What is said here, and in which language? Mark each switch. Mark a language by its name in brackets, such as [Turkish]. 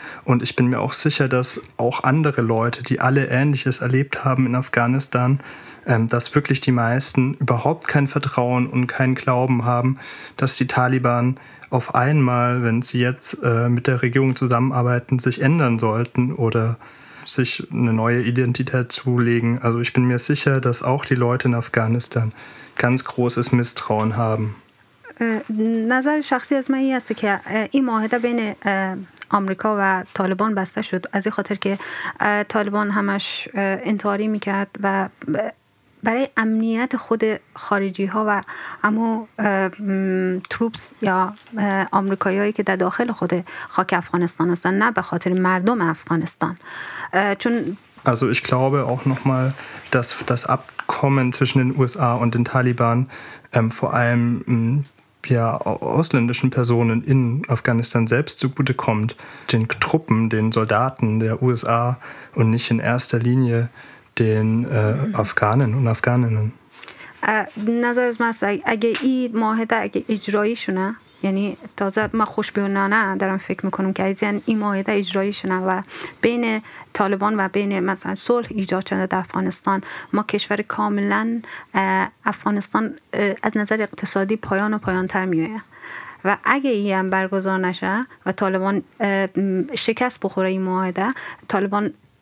[German] Und ich bin mir auch sicher, dass auch andere Leute, die alle Ähnliches erlebt haben in Afghanistan, dass wirklich die meisten überhaupt kein Vertrauen und keinen Glauben haben, dass die Taliban auf einmal, wenn sie jetzt mit der Regierung zusammenarbeiten, sich ändern sollten oder sich eine neue Identität zulegen. Also ich bin mir sicher, dass auch die Leute in Afghanistan ganz großes Misstrauen haben. [Persian] نظر شخصی از من این است که این معاهده بین آمریکا و طالبان بسته شد از این خاطر که طالبان همش انتحاری میکرد و برای امنیت خود خارجی ها و اما تروپس یا آمریکایی‌هایی که در داخل خود خاک افغانستان هستن، نه به خاطر مردم افغانستان. چون [German] Also ich glaube auch noch mal, dass das Abkommen zwischen den USA und den Taliban vor allem ja ausländischen Personen in Afghanistan selbst zugute kommt, den Truppen, den Soldaten der USA und nicht in erster Linie den Afghanen und Afghaninnen. [Persian] نظر از من اگه این معاهده اگه اجرایی شونه، یعنی تازه ما خوشبینانه دارم فکر میکنم که از این معاهده اجرایی شونه و بین طالبان و بین مثلا صلح ایجاد شده در افغانستان، ما کشور کاملا افغانستان از نظر اقتصادی پایان و پایان تر میایه و اگه ای هم برگزار نشه و طالبان شکست بخوره این معاهده، طالبان